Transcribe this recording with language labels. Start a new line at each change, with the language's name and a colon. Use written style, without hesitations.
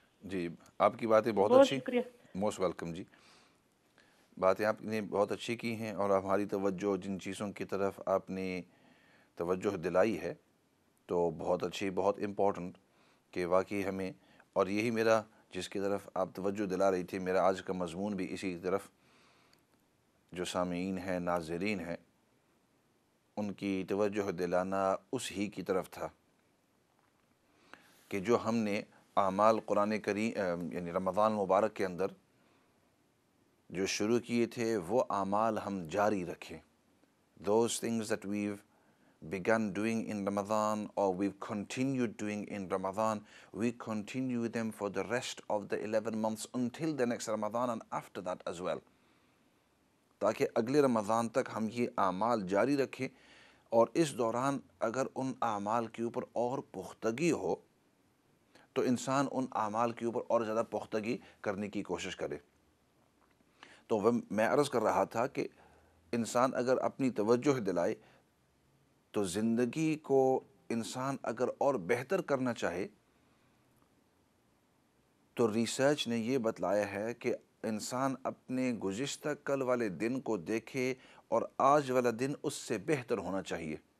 Urdu: جی آپ کی باتیں بہت اچھی, موسٹ ویلکم. جی باتیں آپ نے بہت اچھی کی ہیں, اور ہماری توجہ جن چیزوں کی طرف آپ نے توجہ دلائی ہے تو بہت اچھی, بہت امپورٹنٹ کہ واقعی ہمیں, اور یہی میرا جس کی طرف آپ توجہ دلا رہی تھی, میرا آج کا مضمون بھی اسی طرف, جو سامعین ہیں ناظرین ہیں ان کی توجہ دلانا اس ہی کی طرف تھا کہ جو ہم نے اعمال قرآن کریم یعنی رمضان مبارک کے اندر جو شروع کیے تھے وہ اعمال ہم جاری رکھیں.
English: Those things that we've begun doing in Ramadan or we've continued doing in Ramadan, we continue them for the rest of the 11 months until the next Ramadan and after that as well.
Urdu: تاکہ اگلے رمضان تک ہم یہ اعمال جاری رکھیں, اور اس دوران اگر ان اعمال کے اوپر اور پختگی ہو تو انسان ان اعمال کے اوپر اور زیادہ پختگی کرنے کی کوشش کرے. تو میں عرض کر رہا تھا کہ انسان اگر اپنی توجہ دلائے تو زندگی کو انسان اگر اور بہتر کرنا چاہے تو ریسرچ نے یہ بتلایا ہے کہ انسان اپنے گزشتہ کل والے دن کو دیکھے اور آج والا دن اس سے بہتر ہونا چاہیے.